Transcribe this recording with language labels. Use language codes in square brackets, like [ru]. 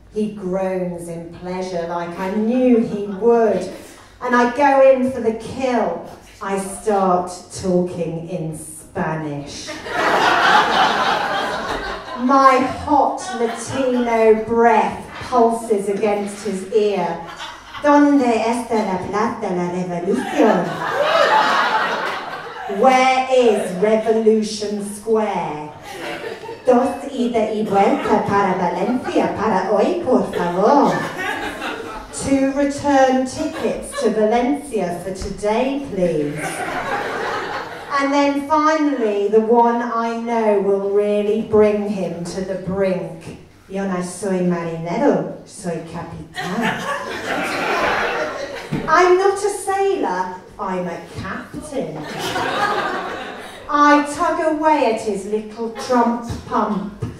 [en] He groans in pleasure like I knew he would. And I go in for the kill. I start talking in Spanish. My hot Latino breath pulses against his ear. [es] ¿Dónde está la plata la revolución? [en] Where is Revolution Square? [es] Dos ida y vuelta para Valencia para hoy, por favor. [en] 2 return tickets to Valencia for today, please. And then finally, the one I know will really bring him to the brink. [es] Yo no soy marinero, soy capitán. [en] I'm not a sailor, I'm a captain. I tug away at his little Trump pump.